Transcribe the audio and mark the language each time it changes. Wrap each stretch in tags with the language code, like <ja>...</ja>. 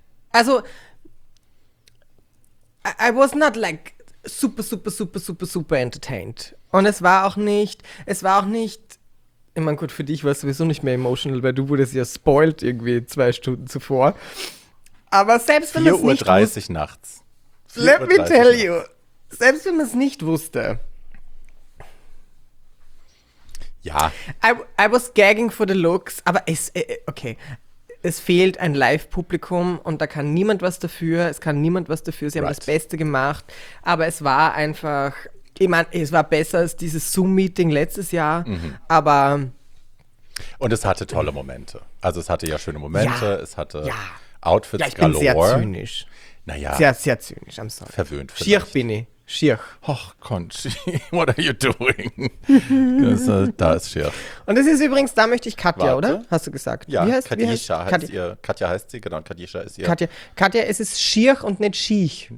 <en>Also, I was not like super, super, super, super, super entertained.</en> <de>Und es war auch nicht, ich meine, gut, für dich war es sowieso nicht mehr emotional, weil du wurdest ja spoiled irgendwie 2 Stunden zuvor. Aber selbst wenn es nicht... 4:30 Uhr nachts.</de> <en>Let me tell you,</en> <de>selbst wenn man es nicht wusste. Ja.</de> <en>I was gagging for the looks,</en> <de>aber es, okay, es fehlt ein Live-Publikum und da kann niemand was dafür, sie haben das Beste gemacht, aber es war einfach, ich meine, es war besser als dieses Zoom-Meeting letztes Jahr, aber... Und es hatte tolle Momente, also es hatte ja schöne Momente, ja, es hatte ja. Outfits ja, ich galore. Ich bin sehr zynisch. Naja. Sehr, sehr zynisch,</de> <en>I'm sorry.</en> <de>Verwöhnt vielleicht. Schier bin ich, schier.</de> <en>Och, Conchi, what are you doing?</en> <de>Das, da ist schier. Und das ist übrigens, da möchte ich Katja, warte. Oder? Hast du gesagt? Ja, Katja heißt sie, genau, Katja ist ihr. Katja, es ist schier und nicht schiech.</de>